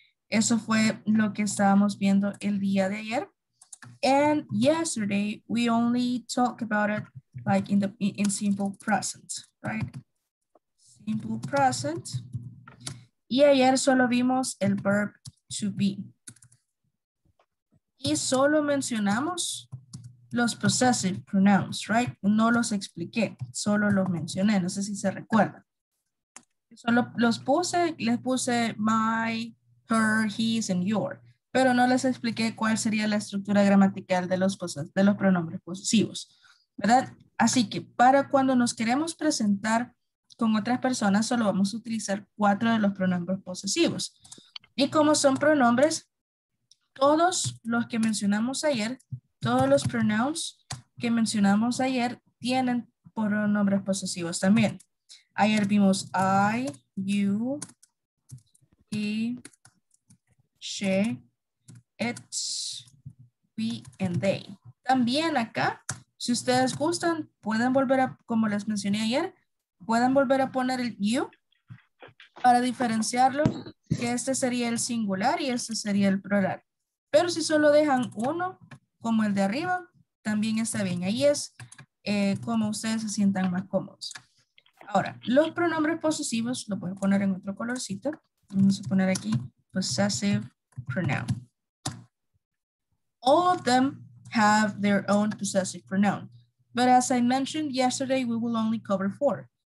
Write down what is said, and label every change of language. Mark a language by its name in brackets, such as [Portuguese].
[Spanish] Eso fue lo que estábamos viendo el día de ayer. [English] And yesterday we only talked about it like in simple present, right? [Spanish] Simple present. Y ayer solo vimos el verb to be. Y solo mencionamos los possessive pronouns, right? No los expliqué, solo los mencioné. No sé si se recuerdan. Solo los puse, les puse my, her, his, and your. Pero no les expliqué cuál sería la estructura gramatical de los pronombres posesivos, ¿verdad? Así que para cuando nos queremos presentar con otras personas, solo vamos a utilizar cuatro de los pronombres posesivos. Y como son pronombres, todos los que mencionamos ayer, todos los pronouns que mencionamos ayer tienen pronombres posesivos también. Ayer vimos I, you, he, she, it, we, and they. También acá, si ustedes gustan, pueden volver a, como les mencioné ayer, pueden volver a poner el you para diferenciarlo, que este sería el singular y este sería el plural. Pero si solo dejan uno, como el de arriba, también está bien. Ahí es como ustedes se sientan más cómodos. Ahora, los pronombres posesivos, lo voy a poner en otro colorcito. Vamos a poner aquí, possessive pronoun. [English] All of them have their own possessive pronoun. But as I mentioned yesterday, we will only cover four.